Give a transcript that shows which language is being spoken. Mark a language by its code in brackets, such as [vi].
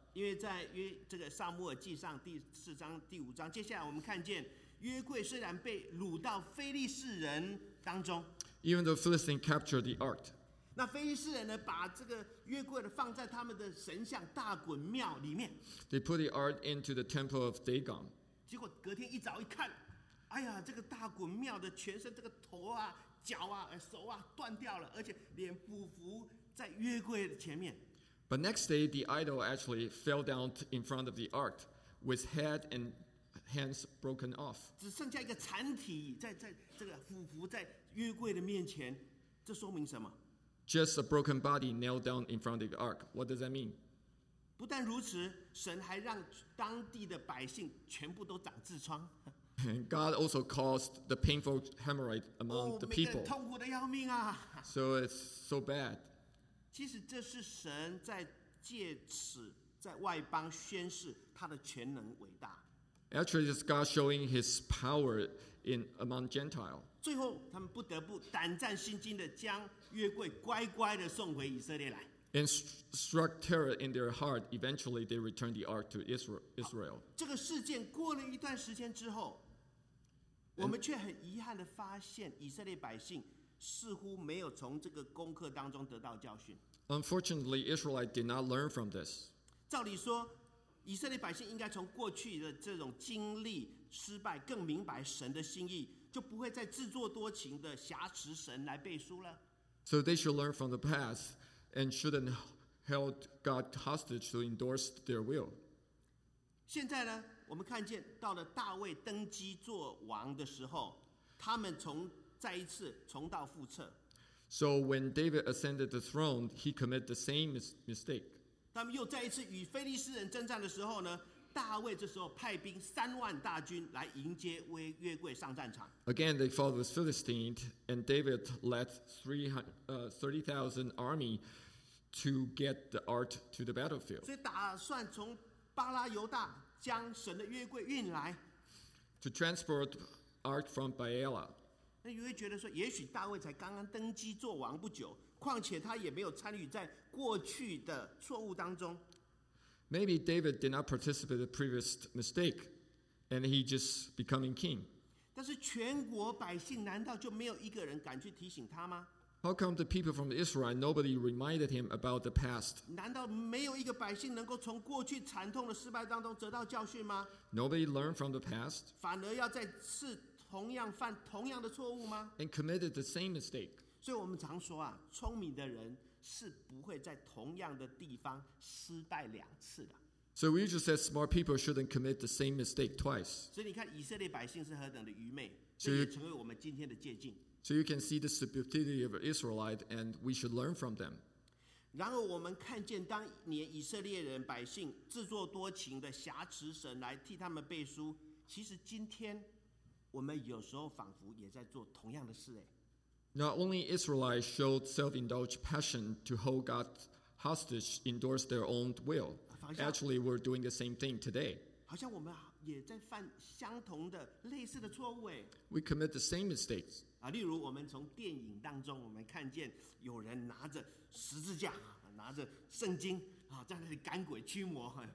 [zh] 因为在这个撒母耳记上第四章第五章，接下来我们看见约柜虽然被掳到非利士人当中。 [en] Even though Philistine captured the ark. [zh] 那非利士人呢，把这个约柜放在他们的神像大衮庙里面。 [en] They put the ark into the temple of Dagon. [zh] 结果隔天一早一看。哎呀，这个大衮庙的全身，这个头啊、脚啊、手啊，断掉了，而且脸匍匐在约柜的前面。 [en] But next day, the idol actually fell down in front of the ark, with head and hands broken off. [zh] 只剩下一个残体在这个匍匐在约柜的面前，这说明什么 [en] ？Just a broken body nailed down in front of the ark. What does that mean? [zh] 不但如此，神还让当地的百姓全部都长痔疮。 [en] God also caused the painful hemorrhoid among the people. [zh] 痛苦的要命啊。 [en] So it's so bad. [zh] 其实这是神在借此在外邦宣示他的全能伟大。 [en] Actually, it's God showing His power in among Gentiles. [zh] 最后，他们不得不胆战心惊的将约柜乖乖的送回以色列来。 [en] And struck terror in their heart. Eventually, they returned the ark to Israel. [zh] 这个事件过了一段时间之后，我们却很遗憾的发现，以色列百姓似乎没有从这个功课当中得到教训。 [en] Unfortunately, Israelites did not learn from this. [zh] 照理说，以色列百姓应该从过去的这种经历失败，更明白神的心意，就不会再自作多情的挟持神来背书了。 [en] So they should learn from the past and shouldn't hold God hostage to endorse their will. [zh] 现在呢，我们看见到了大卫登基做王的时候，他们从再一次重蹈覆辙。 [en] So when David ascended the throne, he committed the same mistake. [zh] 他们又再一次与非利士人征战的时候呢，大卫这时候派兵30,000来迎接约柜上战场。 [en] Again, they fought with Philistines, and David led 30,000 army to get the ark to the battlefield. [zh] 所以打算从巴拉犹大将神的约柜运来。 [en] To transport ark from Baala. [zh] 那你会觉得说，也许大卫才刚刚登基做王不久。况且他也没有参与在过去的错误当中。 [en] Maybe David did not participate in the previous mistake, and he just becoming king. [zh] 但是全国百姓难道就没有一个人敢去提醒他吗 [en] ？How come the people from Israel nobody reminded him about the past？ [zh] 难道没有一个百姓能够从过去惨痛的失败当中得到教训吗 [en] ？Nobody learned from the past？ [zh] 反而要再次同样犯同样的错误吗 [en] ？And committed the same mistake。 [zh] 所以我们常说啊，聪明的人是不会在同样的地方失败两次的。 [en] So we just said smart people shouldn't commit the same mistake twice. [zh] 所以你看以色列百姓是何等的愚昧，这也成为我们今天的借鉴。 [en] So you can see the stupidity of Israelites, and we should learn from them. [zh] 然后我们看见，当年以色列人百姓自作多情的挟持神来替他们背书，其实今天我们有时候仿佛也在做同样的事哎。 [en] Not only Israelites showed self-indulged passion to hold God hostage, endorse their own will. Actually, we're doing the same thing today. [zh] 好像我们也在犯相同的类似的错误耶。 [en] We commit the same mistakes. [zh] 例如我们从电影当中，我们看见有人拿着十字架，拿着圣经，在那里赶鬼驱魔。